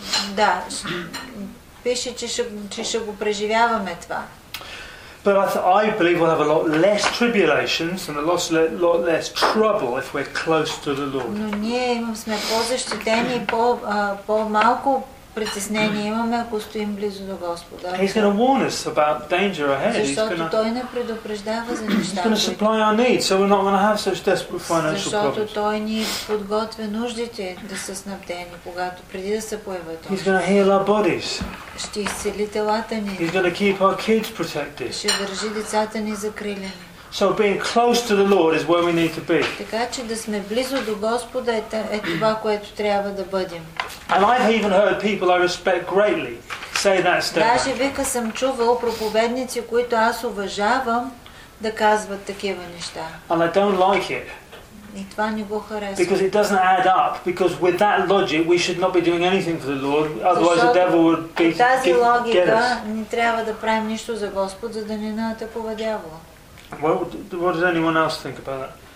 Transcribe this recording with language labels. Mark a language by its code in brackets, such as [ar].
[bg] Да, пише, че ще го преживяваме това. [en] But I believe we'll have a lot less tribulations and a lot less trouble if we're close to the Lord. [bg] Но ние сме по-защитени, по-малко притеснение имаме, ако стоим близо до Господа. [en] He's going to warn us about danger ahead. [bg] Защото той не предупреждава за нещата. [en] He's going to supply our needs, so we're not going to have such desperate financial problems. [bg] Защото той ни подготвя нуждите да са снабдени, когато преди да се появят. [en] He's going to heal our bodies. [bg] Ще изцели телата ни. [en] He's going to keep our kids protected. [bg] Ще държи децата ни закрилени. [en] So being close to the Lord is where we need to be. [bg] Така че да сме близо до Господа е това, което трябва да бъдем. [en] And I've even heard people I respect greatly say that statement. [bg] Даже вика съм чувал проповедници, които аз уважавам, да казват такива неща. [en] And I don't like it. [bg] И това не го харесва. [en] Because it doesn't add up. Because with that logic, we should not be doing anything for the Lord, otherwise the devil would get us. [bg] Тази логика, не трябва да правим нищо за Господ, за да не ни атакува дявола. [en] What does anyone else think about that?